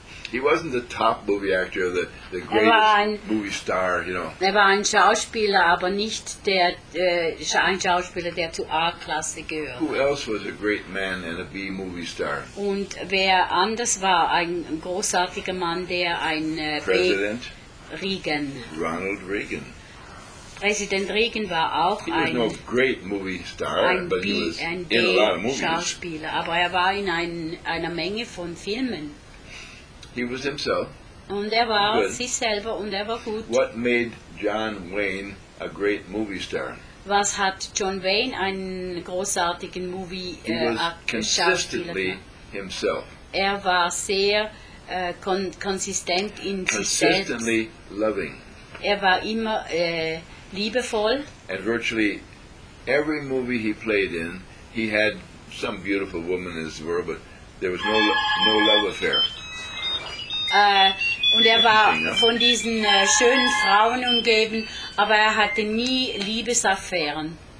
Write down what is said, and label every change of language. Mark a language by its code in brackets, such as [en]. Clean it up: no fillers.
[en] He wasn't the top movie actor, the greatest movie star, you know. [de] War ein Schauspieler, aber nicht der ein Schauspieler, der zur A-Klasse gehört. [en] Who else was a great man and a B-movie star? [de] Und wer anders war ein großartiger Mann, der ein [en] President? Reagan. Ronald Reagan. [de] President Reagan war auch [en] he was [de] ein [en] no great movie star, but he was [de] ein [en] in a lot of movies. [de] Schauspieler, aber war in einer Menge von Filmen. [en] He was himself. [de] Und war [en] good. [de] Sich selber und war gut. [en] What made John Wayne a great movie star? [de] Was hat John Wayne einen großartigen Movie [en] he was consistently himself. [de] War sehr konsistent in [en] consistently [de] sich selbst. [en] Loving. [de] War immer liebevoll. [en] And virtually every movie he played in, he had some beautiful woman as well, but there was no love affair. [de] Und war von diesen schönen Frauen umgeben, aber hatte nie Liebesaffären.